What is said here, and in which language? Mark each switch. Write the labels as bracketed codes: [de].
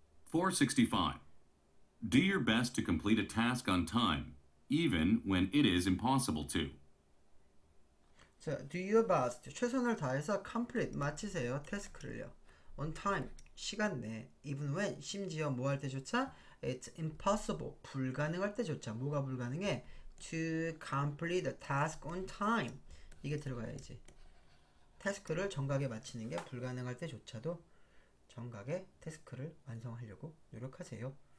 [en] 465. Do your best to complete a task on time, even when it is impossible to. 자, do your best. [ko] 최선을 다해서 complete, 마치세요. [en] 태스크를요. On time. [ko] 시간 내, [en] even when, [ko] 심지어 뭐 할 때조차, [en] it's impossible, [ko] 불가능할 때조차, 뭐가 불가능해? [en] To complete a task on time. [ko] 이게 들어가야지. 태스크를 정각에 마치는 게 불가능할 때조차도 정각에 태스크를 완성하려고 노력하세요.